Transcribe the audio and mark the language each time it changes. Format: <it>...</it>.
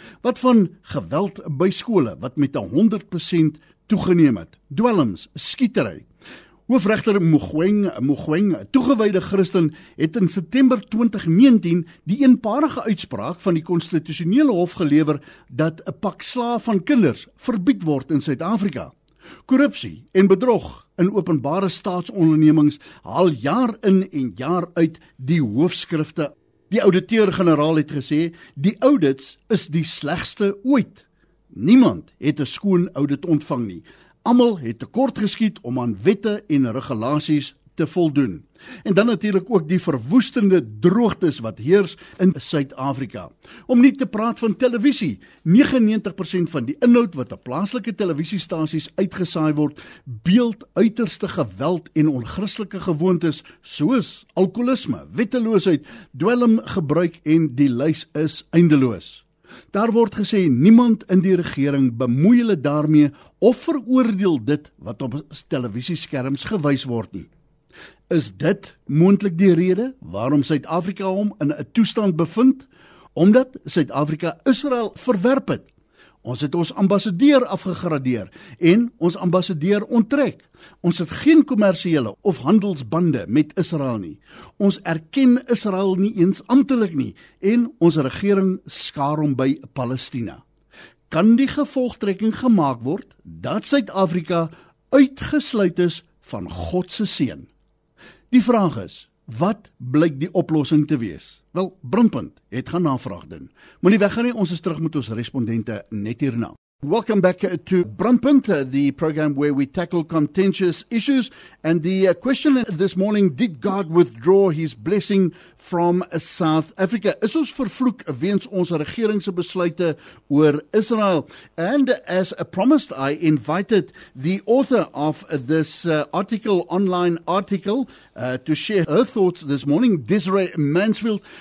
<af>Wat van geweld by skole wat met 100% toegeneem het? Dwelms, skietery. Hoofregter Mogoeng, toegewyde Christen, het in September 2019 die eenparige uitspraak van die konstitusionele hof gelewer dat 'n pak slaaf van kinders verbied word in Suid-Afrika. Korrupsie en bedrog in openbare staatsondernemings haal jaar in en jaar uit die hoofskrifte. Die ouditeur-generaal het gesê, die audits is die slegste ooit. Niemand het 'n skoon audit ontvang nie. Almal het tekort geskiet om aan wette en regulasies te voldoen. En dan natuurlik ook die verwoestende droogtes wat heers in Suid-Afrika. Om nie te praat van televisie, 99% van die inhoud wat op plaaslike televisiestasies uitgesaai word, beeld uiterste geweld en onchristelike gewoontes soos alkoholisme, wetteloosheid, dwelmgebruik en die lys is eindeloos. Daar word gesê niemand in die regering bemoei hulle daarmee of veroordeel dit wat op televisieskerms gewys word nie. Is dit moontlik die rede waarom Suid-Afrika hom in 'n toestand bevind? Omdat Suid-Afrika Israel verwerp het. Ons het ons ambassadeur afgegradeer en ons ambassadeur onttrek. Ons het geen kommersiële of handelsbande met Israel nie. Ons erken Israel nie eens amptelik nie en ons regering skaar hom by Palestina. Kan die gevolgtrekking gemaak word dat Suid-Afrika uitgesluit is van God se seën? Die vraag is, wat blyk die oplossing te wees? Wel, Brandpunt het gaan navraag doen. Moenie weggaan nie, ons is terug met ons respondente net hierna.</af> <en>Welcome back to Brandpunt, the program where we tackle contentious issues. And the question this morning, did God withdraw his blessing from South Africa?</en> <af>Is ons vervloek weens ons regering se besluite oor Israel?</af> <en>And as promised, I invited the author of this online article, to share her thoughts this morning, Desiree Mansfield.</en>